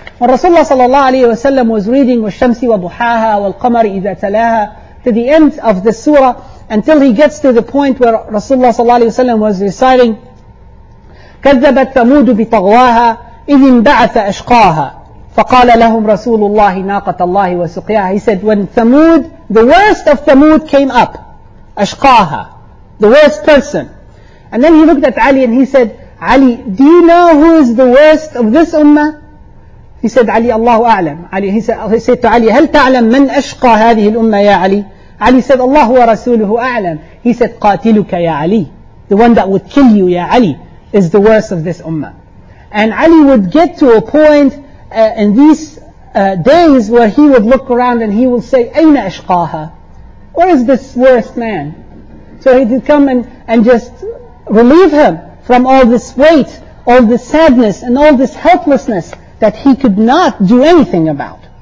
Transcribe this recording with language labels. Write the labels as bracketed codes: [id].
[en] When Rasulullah sallallahu alayhi wa sallam was reading [ar] وَالشَّمْسِ وَضُحَاهَا وَالْقَمَرِ إِذَا تَلَاهَا [en] to the end of the surah, until he gets to the point where Rasulullah sallallahu alayhi wa sallam was reciting [ar] كَذَّبَتْ ثَمُودُ بِطَغْوَاهَا إِذِ انْبَعَثَ أَشْقَاهَا فَقَالَ لَهُمْ رَسُولُ اللَّهِ نَاقَةَ اللَّهِ وَسُقْيَاهَا. [en] He said, when Thamud, the worst of Thamud came up, Ashqaha, the worst person. And then he looked at Ali and he said, Ali, do you know who is the worst of this ummah? He said, Ali, Allahu a'lam. Ali, he said to Ali, [ar] هَلْ تَعْلَمْ مَنْ أَشْقَى هَذِهِ الْأُمَّةِ يَا Ali? [en] Ali said, [ar] Allahu wa rasuluhu a'lam. [en] He said, [ar] قَاتِلُكَ يَا [en] Ali. The one that would kill you, يَا Ali, is the worst of this ummah. And Ali would get to a point in these days where he would look around and he would say, [ar] أَيْنَ أَشْقَاهَا? [en] Where is this worst man? So he would come and just relieve him from all this weight, all this sadness, and all this helplessness that he could not do anything about.